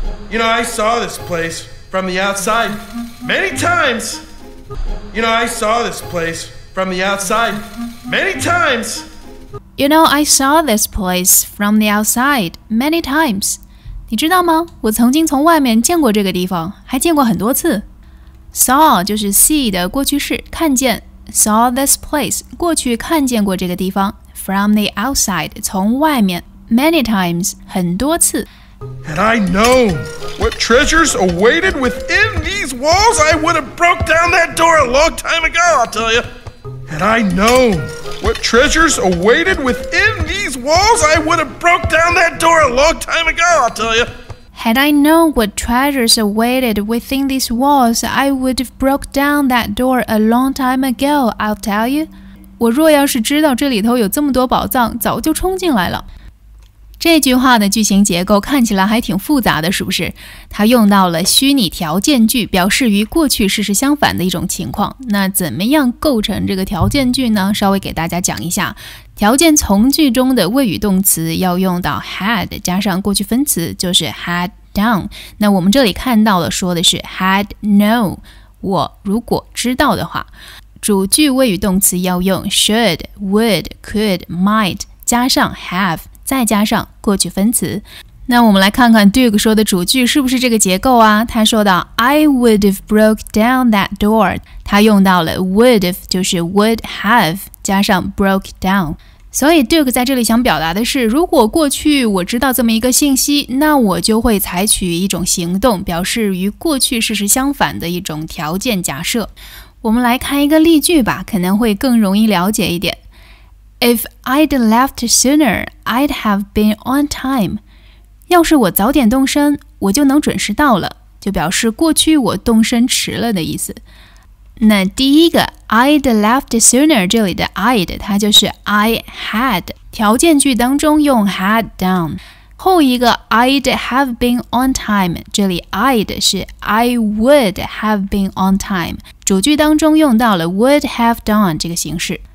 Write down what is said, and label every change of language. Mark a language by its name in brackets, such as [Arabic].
[English] You know, I saw this place from the outside many times. You know, I saw this place from the outside many times. [Chinese] 你知道吗？我曾经从外面见过这个地方，还见过很多次。 Saw 就是 see 的过去式，看见。Saw this place 过去看见过这个地方。 From the outside 从外面。Many times 很多次。 [English] Had I known what treasures awaited within these walls, I would have broke down that door a long time ago, I'll tell you. Had I known what treasures awaited within these walls, I would have broke down that door a long time ago, I'll tell you. Had I known what treasures awaited within these walls, I would have broke down that door a long time ago, I'll tell you. [Chinese] 我若要是知道这里头有这么多宝藏，早就冲进来了。这句话的句型结构看起来还挺复杂的，是不是？它用到了虚拟条件句，表示与过去事实相反的一种情况。那怎么样构成这个条件句呢？稍微给大家讲一下，条件从句中的谓语动词要用到 had 加上过去分词，就是 had done。那我们这里看到了说的是 had know， 我如果知道的话。主句谓语动词要用 should、would、could、might 加上 have。再加上过去分词，那我们来看看 Duke 说的主句是不是这个结构啊？他说到 [English] I would have broke down that door， [Chinese] 他用到了 would have， 就是 would have 加上 broke down。所以 Duke 在这里想表达的是，如果过去我知道这么一个信息，那我就会采取一种行动，表示与过去事实相反的一种条件假设。我们来看一个例句吧，可能会更容易了解一点。 [English] If I'd left sooner, I'd have been on time. [Chinese] 要是我早点动身，我就能准时到了，就表示过去我动身迟了的意思。那第一个 [English] I'd left sooner [Chinese] 这里的 I'd 它就是 I had， 条件句当中用 had done。后一个 [English] I'd have been on time， [Chinese] 这里 I'd 是 I would have been on time， 主句当中用到了 would have done 这个形式。